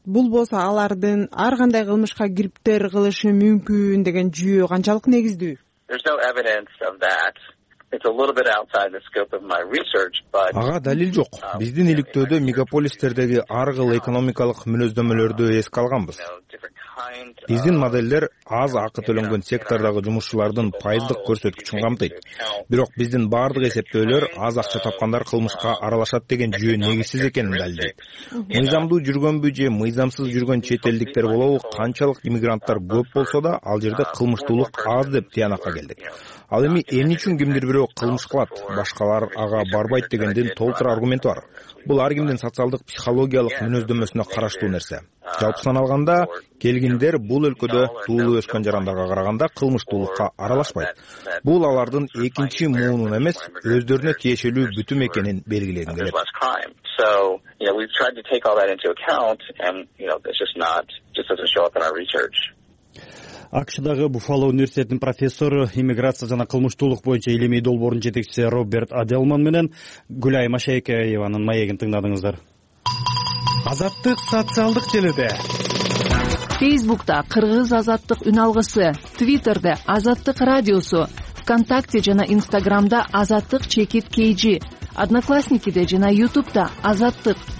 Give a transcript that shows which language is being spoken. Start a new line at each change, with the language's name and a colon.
Kyrgyz: Бул болсо алардын ар кандай кылмышка кириптер кылышы мүмкүн деген жүйө канчалык негиздүү?
English: There's no evidence of that. It's a little bit outside the scope of my research, but
Kyrgyz: ага далил жок. Биздин иликтөөдө мегаполистердеги ар кыл экономикалык мүнөздөмөлөрдү эске алганбыз. Биздин моделдер аз акы төлөнгөн сектордагы жумушчулардын пайыздык көрсөткүчүн камтыйт. Бирок биздин баардык эсептөөлөр аз акча тапкандар кылмышка аралашат деген жүйө негизсиз экенин далилдейт. Мыйзамдуу жүргөнбү же мыйзамсыз жүргөн чет элдиктер болобу, канчалык иммигранттар көп болсо да, ал жерде кылмыштуулук аз деп тыянакка келдик. Ал эми эмне үчүн кимдир бирөө кылмыш кылат, башкалар ага барбайт дегендин толтура аргументи бар. Бул ар кимдин социалдык психологиялык мүнөздөмөсүнө караштуу нерсе. Жалпы санап алганда, келгиндер бул өлкөдө туулуп өскөн жарандарга караганда кылмыштуулукка аралашпайт. Бул алардын экинчи муунун эмес, өздөрүнө тиешелүү бүтүм экенин белгилегим келет.
English: So, you know, we've tried to take all that into account and, you know, it's just not just doesn't show up in our research.
Kyrgyz: АКШ-дагы Буффало университетинин профессору, иммиграция жана кылмыштуулук боюнча илимий долбоорунун жетекчиси Роберт Аделман менен Гүлай Машайкаеванын маегин тыңдадыңыздар. Азаттык социалдык желеде. Фейсбукта Кыргыз Азаттык үн алгысы, Твиттерде Азаттык радиосу, ВКонтакте жана Инстаграмда Азаттык чекит KG, Одноклассникиде жана Ютубта Азаттык.